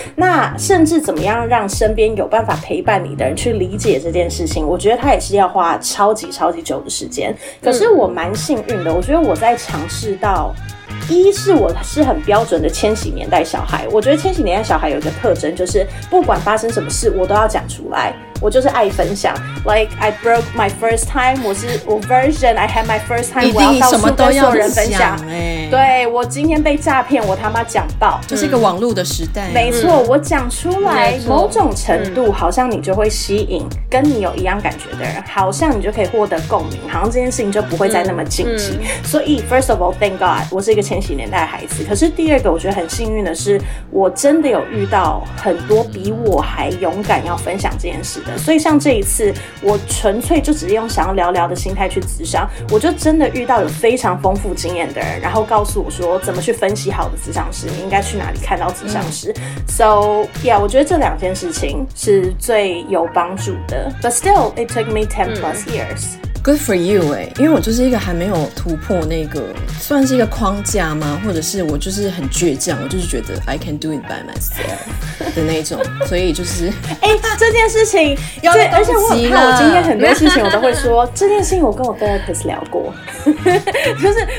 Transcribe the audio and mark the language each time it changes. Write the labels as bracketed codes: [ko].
[zh] 那甚至怎么样让身边有办法陪伴你的人去理解这件事情，我觉得它也是要花超级超级久的时间。可是我蛮幸运的，我觉得我在尝试到一是我是很标准的千禧年代小孩，我觉得千禧年代小孩有一个特征就是不管发生什么事我都要讲出来，我就是爱分享。 [en] Like I broke my first time， [zh] 我是我 [en] version I had my first time， [zh] 一定什么都要人分享，对，我今天被诈骗我他妈讲爆，这是一个网络的时代，没错，我讲出来某种程度好像你就会吸引跟你有一样感觉的人，好像你就可以获得共鸣，好像这件事情就不会再那么禁忌。所以 [en] first of all thank god [zh] 我是一个千禧年代的孩子。可是第二个我觉得很幸运的是我真的有遇到很多比我还勇敢要分享这件事。所以像这一次我纯粹就只是用想要聊聊的心态去咨商，我就真的遇到有非常丰富经验的人，然后告诉我说怎么去分析好的咨商师，你应该去哪里看到咨商师。 [en] So yeah， [zh] 我觉得这两件事情是最有帮助的。 [en] But still it took me 10 plus years。 Good for you [zh] 欸，因为我就是一个还没有突破那个算是一个框架吗，或者是我就是很倔强，我就是觉得 [en] I can do it by myself [zh] 的那种，所以就是欸这件事情有对，而且我很怕我今天很多事情我都会说这件事情我跟我 therapist 聊过就是